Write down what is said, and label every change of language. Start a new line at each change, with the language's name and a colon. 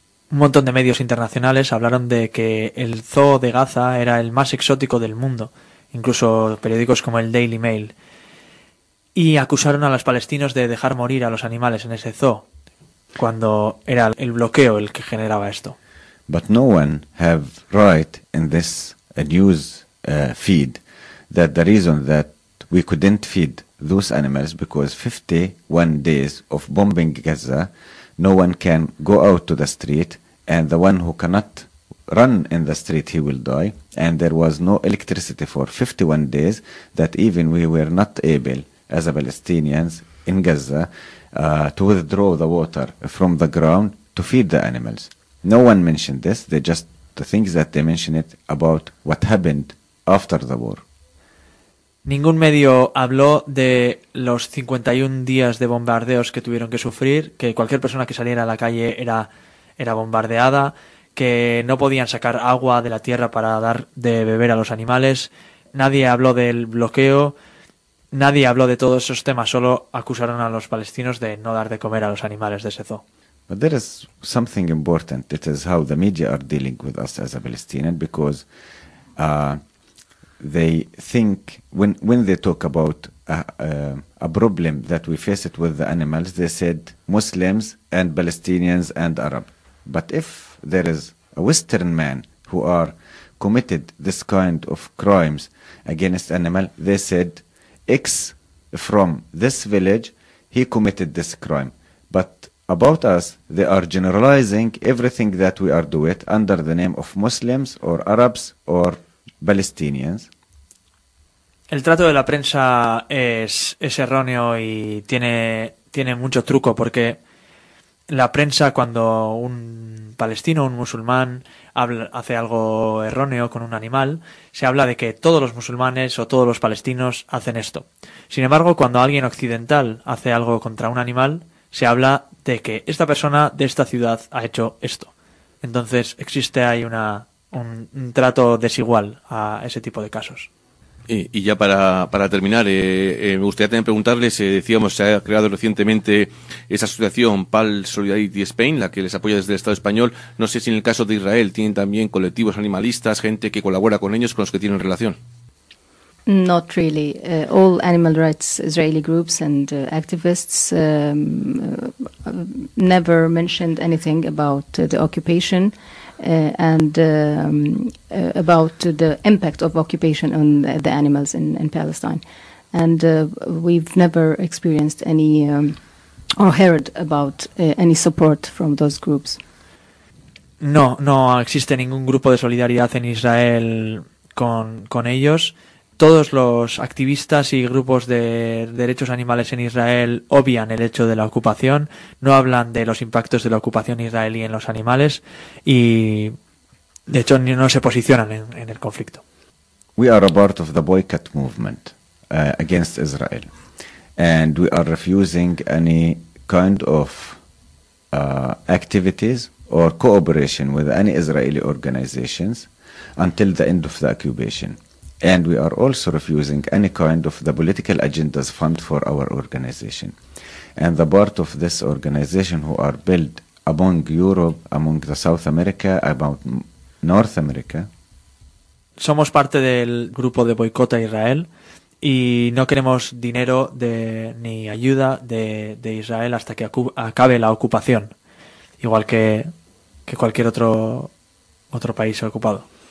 Spanish: Un montón de medios internacionales hablaron de que el zoo de Gaza era el más exótico del mundo, incluso periódicos como el Daily Mail, y acusaron a los palestinos de dejar morir a los animales en ese zoo, cuando era el bloqueo el que generaba esto.
English: But no one have right in this news feed that the reason that we couldn't feed those animals because 51 days of bombing Gaza. No one can go out to the street, and the one who cannot run in the street, he will die. And there was no electricity for 51 days, that even we were not able, as a Palestinians in Gaza, to withdraw the water from the ground to feed the animals. No one mentioned this. They just, the things that they mentioned it about what happened after the war.
Spanish: Ningún medio habló de los 51 días de bombardeos que tuvieron que sufrir, que cualquier persona que saliera a la calle era bombardeada, que no podían sacar agua de la tierra para dar de beber a los animales. Nadie habló del bloqueo, nadie habló de todos esos temas, solo acusaron a los palestinos de no dar de comer a los animales de ese zoo.
English: But there is something important. It is how the media are dealing with us as a Palestinian because they think when they talk about a problem that we face it with the animals, they said Muslims and Palestinians and Arab. But if there is a Western man who are committed this kind of crimes against animal, they said X from this village, he committed this crime. But about us, they are generalizing everything that we are doing under the name of Muslims or Arabs or Palestinians.
Spanish: El trato de la prensa es erróneo y tiene mucho truco porque la prensa cuando un palestino, un musulmán, hace algo erróneo con un animal, se habla de que todos los musulmanes o todos los palestinos hacen esto. Sin embargo, cuando alguien occidental hace algo contra un animal, se habla de que esta persona de esta ciudad ha hecho esto. Entonces existe ahí un trato desigual a ese tipo de casos. Y ya para terminar, me gustaría también preguntarles, decíamos, se ha creado recientemente esa asociación PAL Solidarity Spain, la que les apoya desde el Estado español. No sé si en el caso de Israel tienen también colectivos animalistas, gente que colabora con ellos, con los que tienen relación.
English: Not really. All animal rights Israeli groups and activists never mentioned anything about the occupation. About the impact of occupation on the animals in Palestine. And we've never experienced any or heard about any support from those groups.
Spanish: No, no existe ningún grupo de solidaridad en Israel con ellos. Todos los activistas y grupos de derechos animales en Israel obvian el hecho de la ocupación, no hablan de los impactos de la ocupación israelí en los animales y, de hecho, no se posicionan en el conflicto.
English: We are a part of the boycott movement against Israel, and we are refusing any kind of activities or cooperation with any Israeli organizations until the end of the occupation. And we are also refusing any kind of the political agendas fund for our organization. And the part of this organization who are built among Europe, among the South America, about North America.
Spanish: Somos parte del grupo de boicot a Israel y no queremos dinero de, ni ayuda de Israel hasta que acabe la ocupación, igual que cualquier otro país ocupado.